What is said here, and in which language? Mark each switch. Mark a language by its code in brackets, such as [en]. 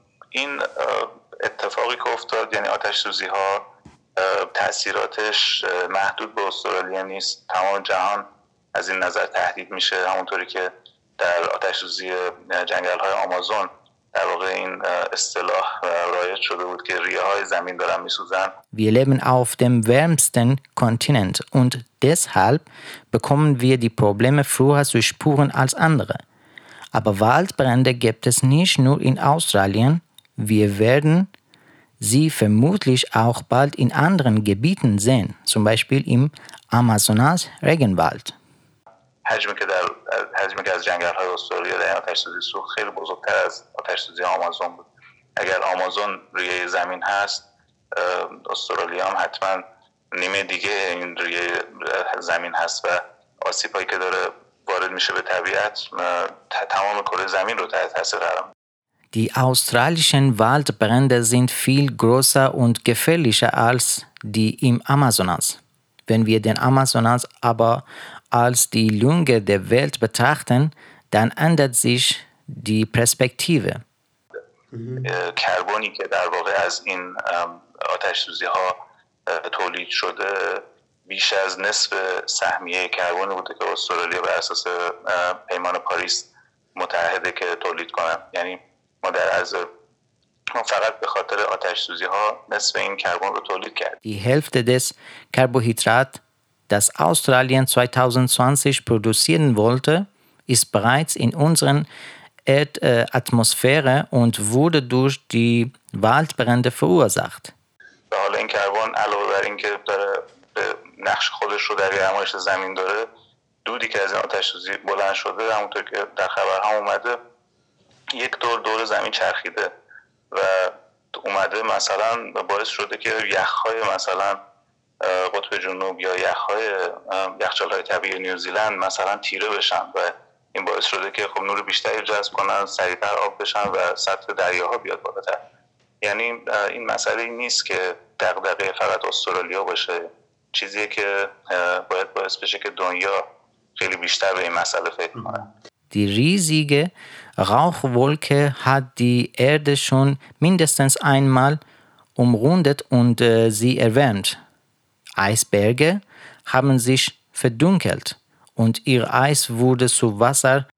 [fa] این اتفاقی که افتاد، یعنی آتش‌سوزی‌ها، تأثیراتش محدود به استرالیا نیست، تمام جهان از این نظر تهدید میشه، همونطوری که در آتش‌سوزی جنگل‌های آمازون در واقع این اصطلاح رایج شده بود که ریه‌های زمین دارن می‌سوزن. [de] Wir leben auf dem wärmsten Kontinent und deshalb bekommen wir die Probleme früher zu spüren als andere. Aber Waldbrände gibt es nicht nur in Australien. Wir werden sie vermutlich auch bald in anderen Gebieten sehen, zum Beispiel im Amazonas-Regenwald. [fa] حجمی که از جنگل‌های استرالیا در آتش‌سوزی سوخت خیلی بزرگتر از آتش‌سوزی آمازون بود. اگر آمازون ریه زمین هست، استرالیا هم حتما نیمه دیگه این ریه زمین هست و آسیبایی که داره وارد میشه به طبیعت تمام کره زمین رو تحت تاثیر قرار میده. [de] Die australischen Waldbrände sind viel größer und gefährlicher als die im Amazonas. Wenn wir den Amazonas aber als die Lunge der Welt betrachten, dann ändert sich die Perspektive. [fa] کربونی که در واقع از این آتش‌سوزی‌ها تولید شده بیش از نصف سهمیه کربونی بوده که استرالیا بر اساس پیمان پاریس متعهده که تولید کنه. یعنی ما در از فقط به خاطر آتش‌سوزی‌ها نصف این کربن رو تولید کرد. [de] Die Hälfte des Carbohydrat, das Australien 2020 produzieren wollte, ist bereits in unseren Erdatmosphäre und wurde durch die Waldbrände verursacht. [fa] به حال این کربن علاوه بر اینکه داره نقش خودش رو در گرمایش زمین داره، دودی که از آتش‌سوزی بلند شده، همونطور که در خبر هم اومده، یک دور زمین چرخیده و اومده مثلا باعث شده که یخ‌های مثلا قطب جنوب یا یخچال‌های طبیعی نیوزیلند مثلا تیره بشن و این باعث شده که خب نور بیشتری جذب کنن، سریع‌تر آب بشن و سطح دریاها بیاد بالاتر. یعنی این مسئله نیست که دغدغه فقط استرالیا باشه، چیزیه که باید باعث بشه که دنیا خیلی بیشتر به این مسئله فکر کنه. [de] Die riesige Rauchwolke hat die Erde schon mindestens einmal umrundet und sie erwärmt. Eisberge haben sich verdunkelt und ihr Eis wurde zu Wasser.